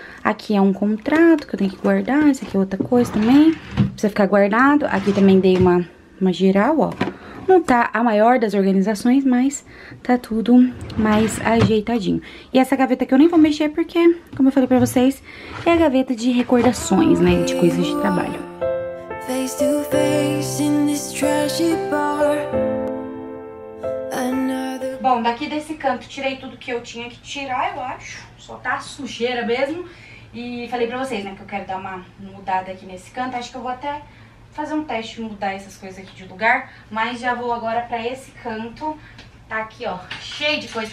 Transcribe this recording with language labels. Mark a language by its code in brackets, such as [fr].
[pt] Aqui é um contrato que eu tenho que guardar. Isso aqui é outra coisa também. Precisa ficar guardado. Aqui também dei uma geral, ó. Não tá a maior das organizações, mas tá tudo mais ajeitadinho. E essa gaveta aqui eu nem vou mexer porque, como eu falei pra vocês, é a gaveta de recordações, né? De coisas de trabalho. [en] Face to face in this trashy bar. Another. [pt] Bom, daqui desse canto tirei tudo que eu tinha que tirar, eu acho. Só tá sujeira mesmo. E falei pra vocês, né, que eu quero dar uma mudada aqui nesse canto. Acho que eu vou até fazer um teste, mudar essas coisas aqui de lugar. Mas já vou agora pra esse canto. Tá aqui, ó, cheio de coisa.